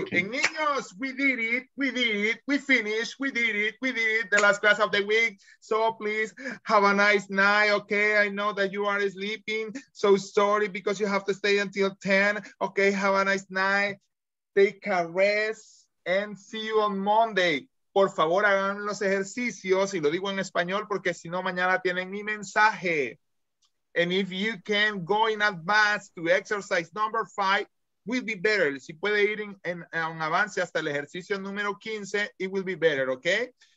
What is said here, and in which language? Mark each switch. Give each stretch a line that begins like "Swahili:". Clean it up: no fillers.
English: Okay. And niños, we did it. The last class of the week. So please have a nice night. Okay. I know that you are sleeping. So sorry because you have to stay until 10. Okay. Have a nice night. Take a rest and see you on Monday.
Spanish: Por favor, hagan los ejercicios. Y lo digo en español porque si no, mañana tienen mi mensaje.
English: And if you can go in advance to exercise number 5, will be better.
Spanish: Si puede ir en avance hasta el ejercicio número 15,
English: it will be better, okay?